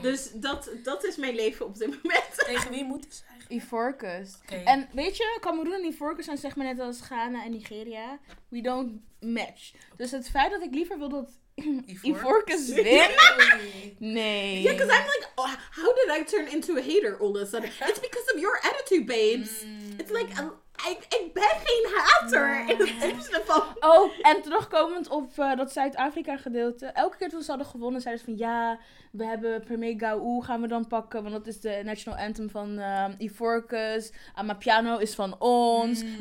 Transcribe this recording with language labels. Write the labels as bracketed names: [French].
[Dutch] Dus dat is mijn leven op dit moment. Tegen wie moeten ze eigenlijk? Ivorcus. Okay. En weet je, Cameroen en Ivorcus zijn zeg maar net als Ghana en Nigeria. [English] We don't match. [Dutch] Dus het feit dat ik liever wil dat Ivorcus win. Nee. [English] Yeah, because I'm like, oh, how did I turn into a hater all of a sudden? It's because of your attitude, babes. It's like, [Dutch] ik ben geen hater. Oh, en terugkomend op dat Zuid-Afrika gedeelte. Elke keer toen ze hadden gewonnen, zeiden ze van ja, we hebben Premier Gaou, gaan we dan pakken. Want dat is de national anthem van Ivorcus. Amapiano is van ons. Mm.